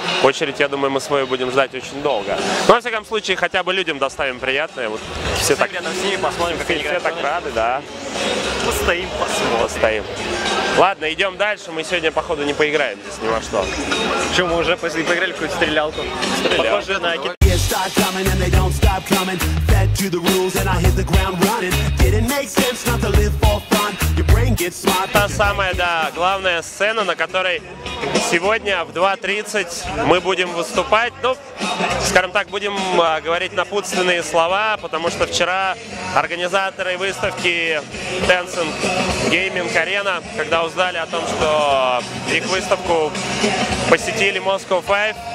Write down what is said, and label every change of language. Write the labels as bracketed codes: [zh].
[ru] Очередь, я думаю, мы свою будем ждать очень долго. Но, во всяком случае, хотя бы людям доставим приятное. Вот все так, рядом с ними посмотрим, как они все так рады, да. Постоим, посмотрим. Постоим. Ладно, идем дальше. Мы сегодня, походу, не поиграем здесь ни во что. Что, мы уже поиграли какую-то стрелялку? Похоже на кино. [en] Start coming and they don't stop coming. Fed to the rules and I hit the ground running. Didn't make sense not to live for fun. Your brain gets smart. [ru] Та самая, да, главная сцена, на которой сегодня в 2:30 мы будем выступать. Ну, скажем так, будем говорить напутственные слова, потому что вчера организаторы выставки Tencent Gaming Arena, когда узнали о том, что их выставку посетили Moscow 5,